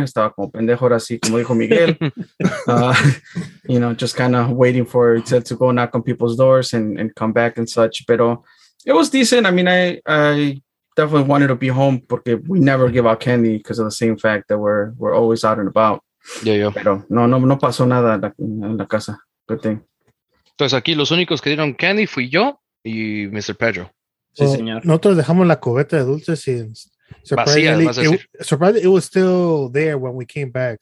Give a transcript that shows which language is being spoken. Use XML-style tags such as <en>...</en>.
<es>Estaba como pendejo, así como dijo Miguel.</es> <en>You know, just kind of waiting for it to go knock on people's doors and come back and such. Pero it was decent. I mean, I definitely wanted to be home porque we never give out candy because of the same fact that we're always out and about. Yeah, yeah.</en> <es>Pero no pasó nada en la casa.</es> <en>Good thing.</en> <es>Entonces aquí los únicos que dieron candy fui yo y Mr. Pedro. Sí, señor. Nosotros dejamos la cubeta de dulces y</es> <en>surprisingly, it was still there when we came back.</en>